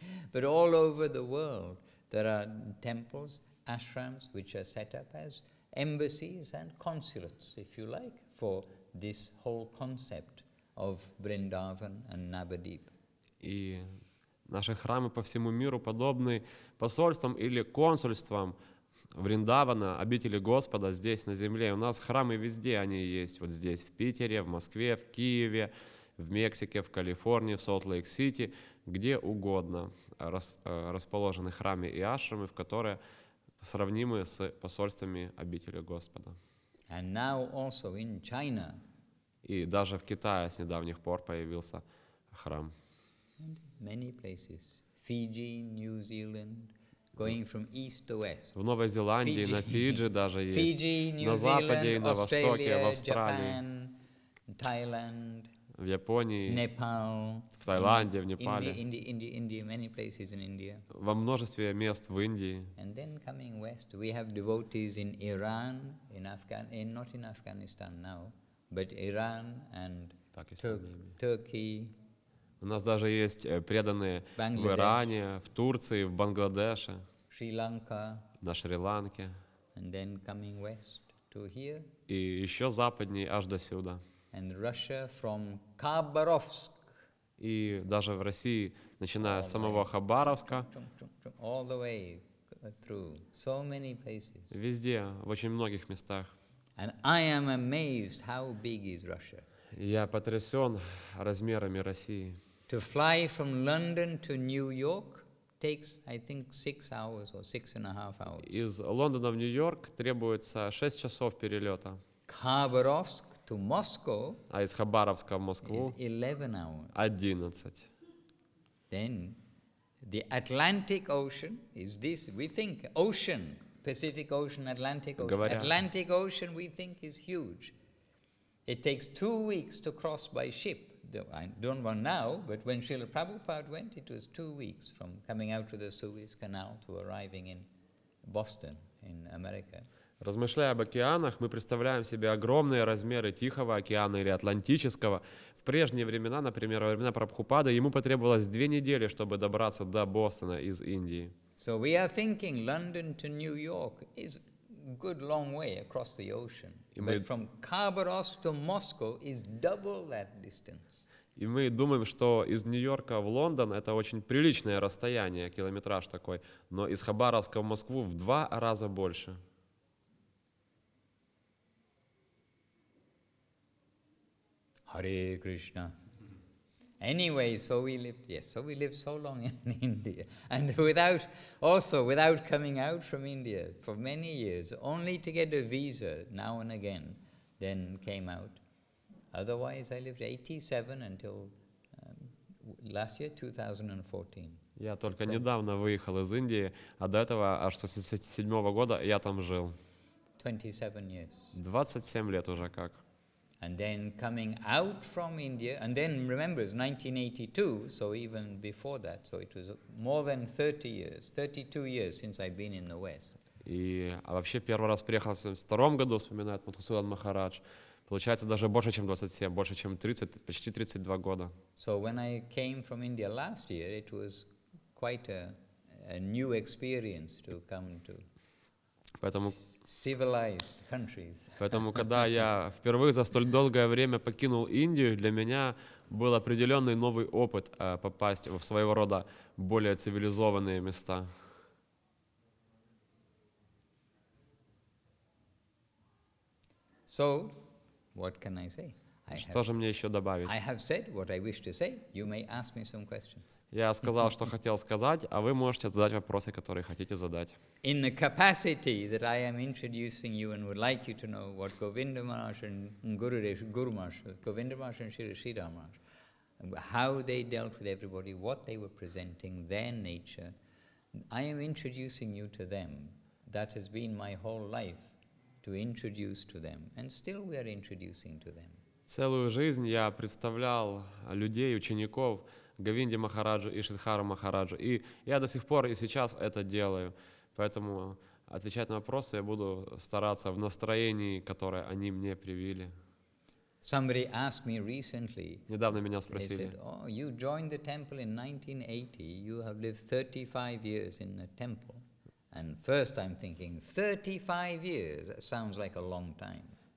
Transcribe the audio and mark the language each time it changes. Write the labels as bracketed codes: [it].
[en] But all over the world, there are temples, ashrams, which are set up as embassies and consulates, if you like, for this whole concept of Vrindavan and Navadvip. [ru] И наши храмы по всему миру подобны посольствам или консульствам Вриндавана, обители Господа здесь на земле. У нас храмы везде они есть. Вот здесь, в Питере, в Москве, в Киеве, в Мексике, в Калифорнии, в Солт-Лейк-Сити, где угодно расположены храмы и ашрамы, в которые сравнимы с посольствами обители Господа. [en] And now also in China. [ru] И даже в Китае с недавних пор появился храм. [en] Many places. Fiji, New Zealand, going from east to west. [ru] В Новой Зеландии, на Фиджи даже есть. [en] Fiji, New [ru] на Западе [en] Zealand, [ru] и на [en] Australia, [ru] Востоке, в Австралии. [en] Japan, Thailand, [ru] в Японии, [en] Nepal, [ru] в Таиланде, в Непале. [en] India, many places in India. [ru] Во множестве мест в Индии. [en] And then coming west, we have devotees in Iran, in Afghanistan, not in Afghanistan now, but Iran and Turkey. [ru] У нас даже есть преданные в Иране, в Турции, в Бангладеше, Шри-Ланка, на Шри-Ланке. [en] And then coming west to here. [ru] И еще западнее, аж до сюда. [en] And Russia from Khabarovsk. [ru] И даже в России, начиная с самого Хабаровска, [en] all the way through so many places. [ru] Везде, в очень многих местах. [en] And I am amazed how big is Russia. [ru] Я потрясен размерами России. [en] To fly from London to New York takes, I think, 6 hours or 6.5 hours. [ru] Из Лондона в Нью-Йорк требуется 6 часов перелета. [en] Khabarovsk to Moscow. [ru] А из Хабаровска в Москву. [en] Is 11 hours. [ru] 11. [en] Then, the Atlantic Ocean is this. We think ocean, Pacific Ocean, Atlantic Ocean. [ru] Говоря, [en] Atlantic Ocean, we think is huge. It takes 2 weeks to cross by ship. I don't know now, but when Srila Prabhupada went, it was 2 weeks from coming out of the Suez Canal to arriving in Boston, in America. [ru] Размышляя об океанах, мы представляем себе огромные размеры Тихого океана или Атлантического. В прежние времена, например, во времена Прабхупада, ему потребовалось 2 недели, чтобы добраться до Бостона из Индии. [en] So we are thinking London to New York is good long way across the ocean. But from Khabarovsk to Moscow is double that distance. [ru] И мы думаем, что из Нью-Йорка в Лондон это очень приличное расстояние, километраж такой, но из Хабаровска в Москву в 2 раза больше. [en] Hare Krishna. Anyway, so we lived. Yes, so we lived so long in India, and without coming out from India for many years, only to get a visa now and again, then came out. Otherwise, I lived 87 until last year, 2014. [ru] Я только недавно выехал из Индии, а до этого аж с 87 года я там жил. [en] 27 years. [ru] 27 лет уже как. [en] And then coming out from India, and then remember, it's 1982, so even before that, so it was more than 30 years, 32 years since I've been in the West. [ru] И вообще первый раз приехал в 72 году, вспоминает Матхусудан Махарадж. Получается даже больше, чем 27, больше, чем 30, почти 32 года. [en] So when I came from India last year, it was quite a new experience to come to. [ru] Поэтому, [en] civilized countries. [ru] Поэтому, когда я впервые за столь долгое время покинул Индию, для меня был определенный новый опыт попасть в своего рода более цивилизованные места. [en] So, what can I say? [ru] Что же мне еще добавить? [en] I have said what I wish to say. You may ask me some questions. [ru] Я сказал, что хотел сказать, а вы можете задать вопросы, которые хотите задать. [en] In the capacity that I am introducing you and would like you to know what Govinda Maharaj and Guru Maharaj, Govinda Maharaj and Shri Sridhar Maharaj, how they dealt with everybody, what they were presenting, their nature, I am introducing you to them. That has been my whole life, to introduce to them. And still we are introducing to them. [ru] Целую жизнь я представлял людей, учеников Говинди Махараджу и Шридхара Махараджу. И я до сих пор и сейчас это делаю. Поэтому отвечать на вопросы я буду стараться в настроении, которое они мне привили. [en] Somebody asked me recently. [ru] Недавно меня спросили. [en] They said, "Oh, you joined the temple in 1980. You have lived 35 years in the temple." And first I'm thinking, 35 years, that sounds like a long time.